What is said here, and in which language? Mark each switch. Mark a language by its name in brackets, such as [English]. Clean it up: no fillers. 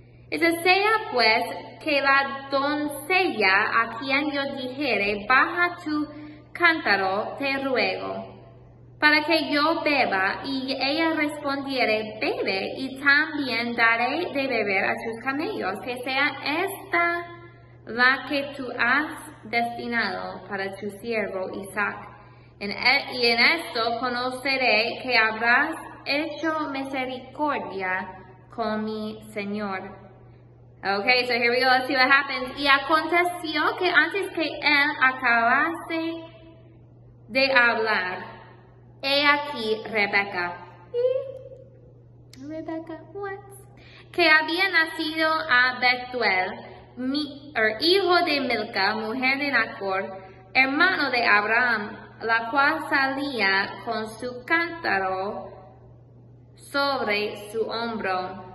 [English] It says, [Spanish] Sea pues que la doncella a quien yo dijere, baja tu cántaro, te ruego, para que yo beba, y ella respondiere, bebe, y también daré de beber a tus camellos, que sea esta la que tú has destinado para tu siervo Isaac. Y en esto conoceré que habrás hecho misericordia con mi señor. [English] Okay, so here we go, let's see what happens. [Spanish] Y aconteció que antes que él acabase de hablar, he aquí Rebeca. Rebeca, [English] what? [Spanish] Que había nacido a Betuel, hijo de Milca, mujer de Nacor, hermano de Abraham, la cual salía con su cántaro sobre su hombro.